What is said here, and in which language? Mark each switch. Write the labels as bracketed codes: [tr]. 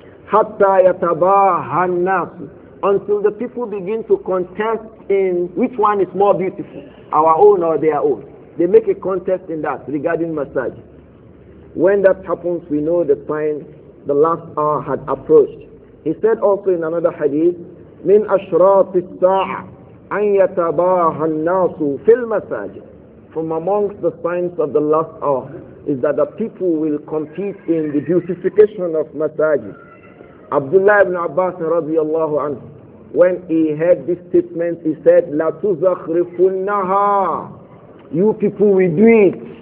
[ar] Hatta yatabaha an-nas, [en] until the people begin to contest in which one is more beautiful, our own or their own. They make a contest in that regarding masajid. When that happens, we know the sign, the last hour had approached. He said also in another hadith, [ar] من أشراط الساعة أن يتباهى الناس في المساجد. [en] From amongst the signs of the last hour is that the people will compete in the beautification of masajid. Abdullah ibn Abbas رضي الله عنه, when he heard this statement, he said, [ar] لا تزخرفنها. [en] You people will do it.